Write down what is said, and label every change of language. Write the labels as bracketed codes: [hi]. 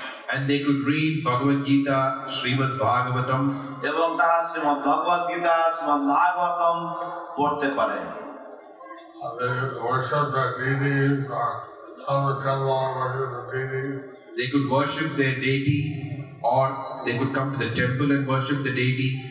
[en] And they could read Bhagavad Gita, Srimad Bhagavatam. [bn] এবং তারা শ্রীমদ ভগবদ গীতা, শ্রীমদ ভাগবতম পড়তে পারে. [en] They could worship their deity, or they could come to the temple and worship the deity.